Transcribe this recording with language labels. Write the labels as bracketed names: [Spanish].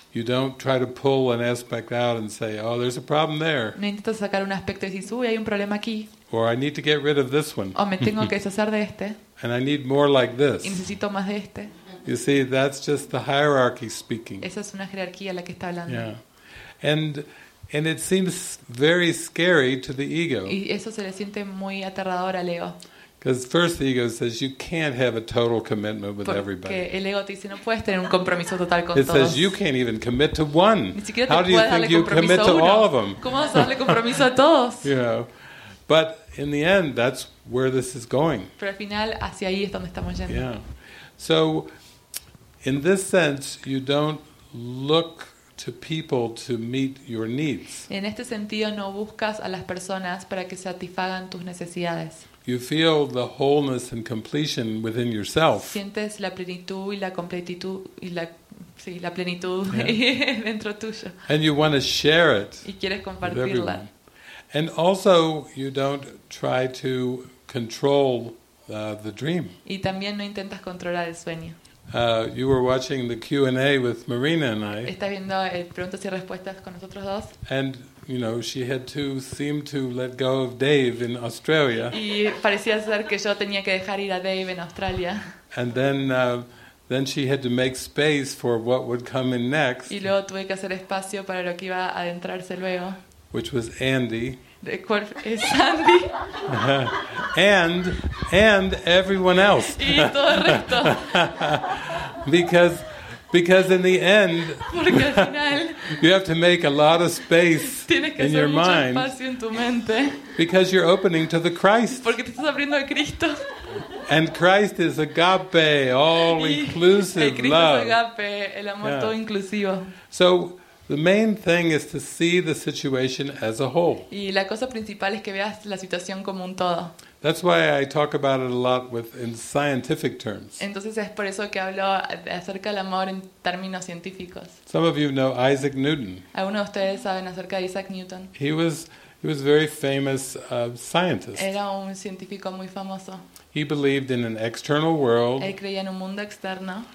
[English] You don't try to pull an aspect out and say, "Oh, there's a problem there." [Spanish] No intentas sacar un aspecto y decir, "Uy, hay un problema aquí." [English] Or I need to get rid of this one. [Spanish] O me tengo que deshacer de este. [English] And I need more like this. [Spanish] Y necesito más de este. [English] You see, that's just the hierarchy speaking. [Spanish] Esa es una jerarquía la que está hablando. [English] Yeah. And it seems very scary to the ego. [Spanish] Y eso se le siente muy aterrador al ego. [English] Because first the ego says you can't have a total commitment with everybody. [Spanish] Porque el ego te dice no puedes tener un compromiso total con todos. [English] It says you can't even commit to one. [Spanish] Ni siquiera te [English] How do you think you commit to all of them? [Spanish] ¿Cómo vas a darle compromiso a todos? [English] You know, but in the end, that's where this is going. [Spanish] Pero al final hacia ahí es donde estamos yendo. [English] Yeah. So, in this sense, you don't look to people to meet your needs. [Spanish] En este sentido, no buscas a las personas para que satisfagan tus necesidades. [English] You feel the wholeness and completion within yourself. [Spanish] Sientes la plenitud y la completitud y la sí, la plenitud dentro tuyo. [English] And you want to share it. [Spanish] Y quieres compartirla. [English] And also you don't try to control the dream. [Spanish] Y también no intentas controlar el sueño. [English] You were watching the Q&A with Marina and I. [Spanish] Estás viendo preguntas y respuestas con nosotros dos. [English] And you know, she had to seem to let go of Dave in Australia. [Spanish] Y parecía ser que yo tenía que dejar ir a Dave en Australia. [English] And then she had to make space for what would come in next. [Spanish] Y luego tuve que hacer espacio para lo que iba a adentrarse luego. [English] which was Andy. [Spanish] De cuál es Andy. [English] and everyone else. [Spanish] Y todo el resto. [English] Because in the end, [Spanish] porque al final, [English] you have to make a lot of space [Spanish] tienes que [English] in your mind [Spanish] mucho espacio en tu mente. [English] Because you're opening to the Christ. [Spanish] Porque te estás abriendo a Cristo. [English] And Christ is agape, all inclusive love. [Spanish] Es agape, el amor todo inclusivo. [English] So the main thing is to see the situation as a whole. [Spanish] Y la cosa principal es que veas la situación como un todo. [English] That's why I talk about it a lot with in scientific terms. [Spanish] Entonces es por eso que hablo acerca del amor en términos científicos. [English] Some of you know Isaac Newton. [Spanish] ¿Alguno de ustedes saben acerca de Isaac Newton? [English] He was a very famous scientist. [Spanish] Era un científico muy famoso. [English] He believed in an external world. [Spanish] Él creía en un mundo externo.